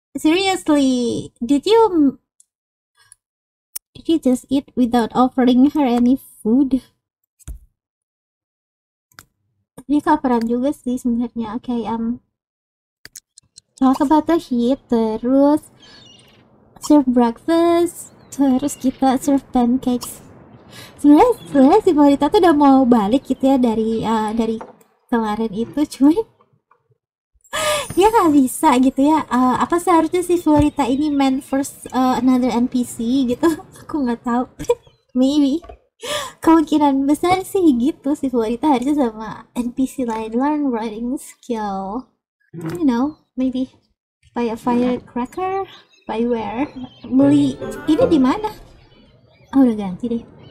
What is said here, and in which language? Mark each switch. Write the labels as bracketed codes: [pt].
[en] Seriously, did you just eat without offering her any food? [id] Dia kelaparan juga sih sebenarnya. [en] Okay, talk about the heat, [id] terus [en] serve breakfast, [id] terus kita [en] serve pancakes. [id] Sebenarnya si Florita tuh udah mau balik gitu ya dari kemarin itu, cuman dia gak bisa gitu ya. Apa seharusnya si Florita ini [en] meant for another NPC [id] gitu? Aku gak tahu. [en] Maybe [id] kemungkinan besar sih gitu, si Florita harusnya sama NPC lain, [en] learn writing skill, you know, maybe buy a firecracker, buy where, [id] beli ini di mana? Oh, udah ganti deh.